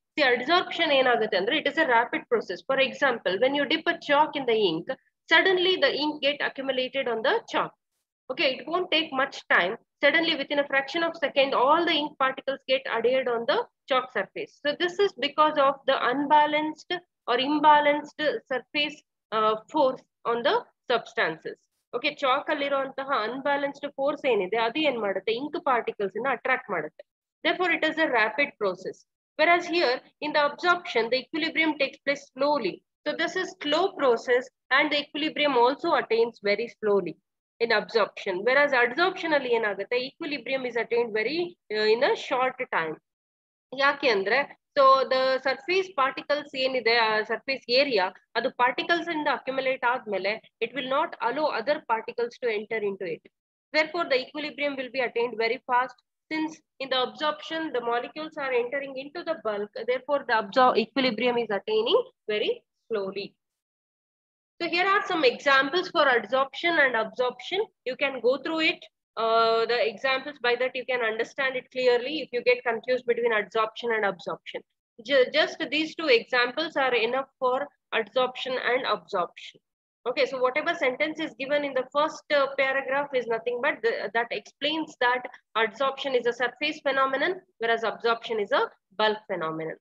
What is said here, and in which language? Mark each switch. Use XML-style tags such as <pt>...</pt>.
<en>See, adsorption</en> <kn>enagutte andre,</kn> <en>it is a rapid process. For example, when you dip a chalk in the ink, suddenly the ink get accumulated on the chalk. Okay, it won't take much time. Suddenly, within a fraction of a second, all the ink particles get adhered on the chalk surface. So this is because of the unbalanced or imbalanced surface force on the substances.</en> <kn>Okay chalk ಅಲ್ಲಿರುವಂತಹ unbalanced force ಏನಿದೆ ಅದು ಏನ್ ಮಾಡುತ್ತೆ ink particles ಅನ್ನ attract ಮಾಡುತ್ತೆ.</kn> <en>Therefore it is a rapid process. Whereas here in the absorption the equilibrium takes place slowly. So this is slow process and the equilibrium also attains very slowly in absorption. Whereas adsorption</en> <kn>ಅಲ್ಲಿ ಏನಾಗುತ್ತೆ,</kn> <en>Equilibrium is attained very in a short time.</en> <kn>ಯಾಕೆ ಅಂದ್ರೆ,</kn> <en>so the surface particles ಏನಿದೆ surface area,</en> <kn>ಅದು particles ಇಂದ accumulate ಆದ್ಮೇಲೆ</kn> <en>It will not allow other particles to enter into it. Therefore the equilibrium will be attained very fast. Since in the absorption the molecules are entering into the bulk, therefore the equilibrium is attaining very slowly. So here are some examples for adsorption and absorption. You can go through it. The examples, by that you can understand it clearly if you get confused between adsorption and absorption. Just these two examples are enough for adsorption and absorption. Okay, so whatever sentence is given in the first paragraph is nothing but that explains that adsorption is a surface phenomenon whereas absorption is a bulk phenomenon.</en>